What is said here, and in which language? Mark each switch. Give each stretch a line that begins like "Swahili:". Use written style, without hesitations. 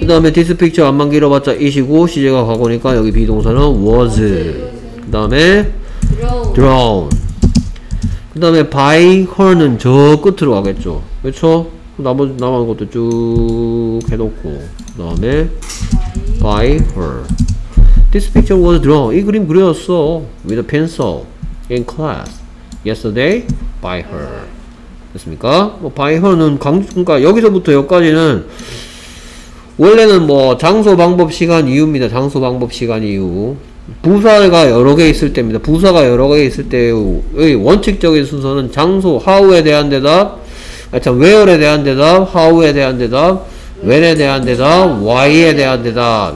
Korean: 그 다음에 this picture 안만 길어봤자 it이고 시제가 과거니까 여기 비동사는 was. 그 다음에
English: drawn.
Korean: 그 다음에 by her 는 저 끝으로 가겠죠. 그렇죠? 남은 것도 쭉 해놓고 그 다음에
English: by her. This picture was drawn. 이 그림 그렸어. With a pencil in class yesterday by her.
Korean: 됐습니까? 뭐 by her 는 강조, 그러니까 여기서부터 여기까지는 원래는 뭐 장소 방법 시간 이유입니다. 장소 방법 시간 이유. 부사가 여러 개 있을 때입니다. 부사가 여러 개 있을 때의 원칙적인 순서는 장소, how에 대한 대답, 아, 참, where에 대한 대답, how에 대한 대답, when에 대한 대답, why에 대한 대답.